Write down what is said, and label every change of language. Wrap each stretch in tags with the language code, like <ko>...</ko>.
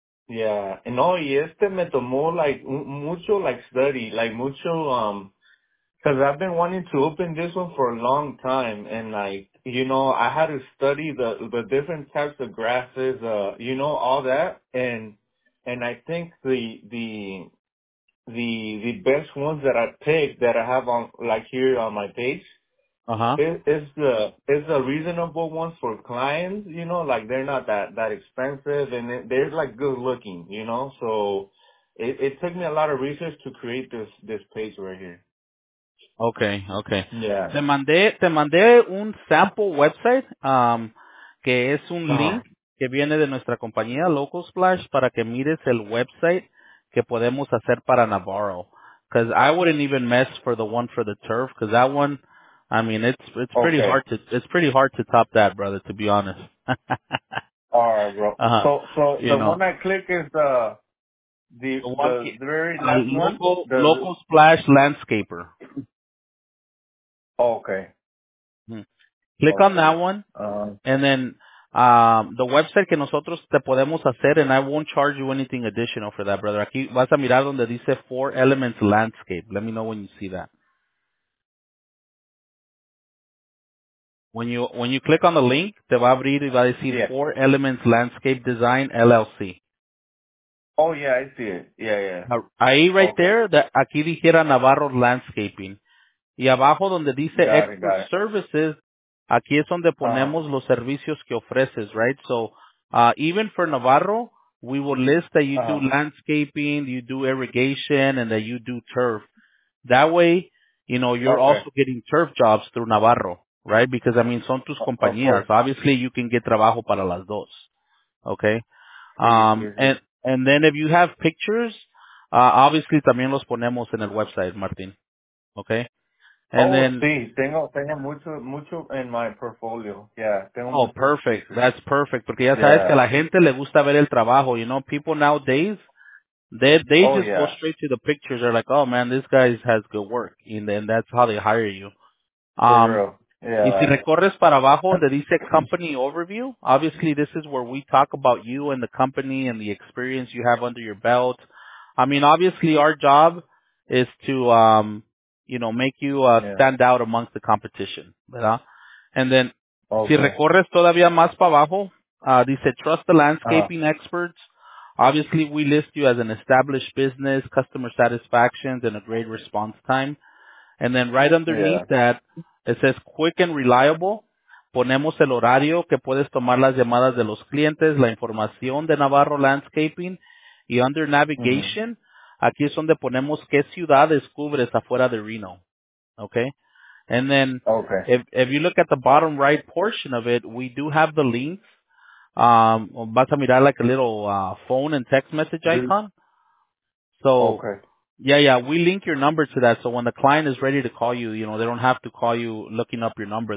<en>Yeah, no, y este me tomó like mucho like study, like mucho, because I've been wanting to open this one for a long time, and, like, you know, I had to study the different types of grasses, you know, all that, and I think the best ones that I picked that I have on, like, here on my page, is the reasonable ones for clients, you know, like, they're not that expensive, and they're, like, good looking, you know, so it took me a lot of research to create this page right here. Okay. Yeah.</en> <es>Te mandé un sample website, que es un link que viene de nuestra compañía Local Splash para que mires el website que podemos hacer para Navarro.</es> <en>Cause I wouldn't even mess for the one for the turf. Cause that one, I mean, it's pretty hard to, top that, brother, to be honest. All right, bro. One I click is the very last one. Local Splash Landscaper. Okay. Click on that one, and then the website que nosotros te podemos hacer, and I won't charge you anything additional for that, brother. Aquí vas a mirar donde dice Four Elements Landscape. Let me know when you see that.</en> <es>When you click on the link, te va a abrir y va a decir Four Elements Landscape Design LLC.</es> <en>Oh, yeah, I see it. Yeah, yeah.</en> <es>Ahí right there, aquí dijera Navarro Landscaping. Y abajo donde dice Expert Services, aquí es donde ponemos los servicios que ofreces, right?</es> <en>So, even for Navarro, we will list that you do landscaping, you do irrigation, and that you do turf. That way, you know, you're also getting turf jobs through Navarro, right? Because, I mean, son tus compañías. Obviously, you can get trabajo para las dos, okay? And then if you have pictures, obviously, también los ponemos en el website, Martin, okay? And then,</en> <es>sí, tengo mucho en my portfolio. Yeah, tengo.</es> <en>Oh, perfect. That's perfect.</en> <es>Porque ya sabes que a la gente le gusta ver el trabajo.</es> <en>You know, people nowadays, they just go straight to the pictures. They're like, oh man, this guy has good work. And then that's how they hire you. For real. Y si recorres para abajo, donde dice Company Overview, obviously this is where we talk about you and the company and the experience you have under your belt. I mean, obviously our job is to, you know, make you stand out amongst the competition, ¿verdad? And then, si recorres todavía más para abajo, dice Trust the Landscaping Experts. Obviously, we list you as an established business, customer satisfaction, and a great response time. And then right underneath that, it says quick and reliable.</en> <es>Ponemos el horario que puedes tomar las llamadas de los clientes, la información de Navarro Landscaping. Y under navigation, aquí es donde ponemos qué ciudades cubres afuera de Reno.</es> <en>Okay? And then if you look at the bottom right portion of it, we do have the links. Vas a mirar like a little phone and text message icon. So, we link your number to that. So when the client is ready to call you, you know, they don't have to call you looking up your number.</en>